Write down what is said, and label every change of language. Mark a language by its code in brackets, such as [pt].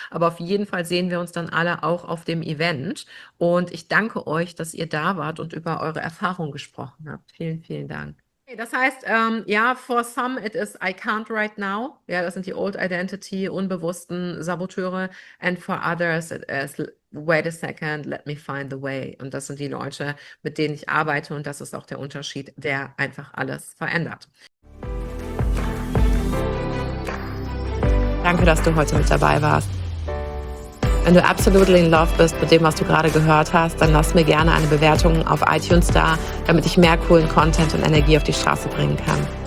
[de] Aber auf jeden Fall sehen wir uns dann alle auch auf dem Event. Und ich danke euch, dass ihr da wart und über eure Erfahrung gesprochen habt. Vielen, vielen Dank. Das heißt, [en] for some it is I can't right now. [de] Ja, das sind die [en] old identity, [de] unbewussten Saboteure. [en] And for others it is wait a second, let me find the way. [de] Und das sind die Leute, mit denen ich arbeite. Und das ist auch der Unterschied, der einfach alles verändert. Danke, dass du heute mit dabei warst. Wenn du [en] absolutely in love [de] bist mit dem, was du gerade gehört hast, dann lass mir gerne eine Bewertung auf iTunes da, damit ich mehr coolen Content und Energie auf die Straße bringen kann.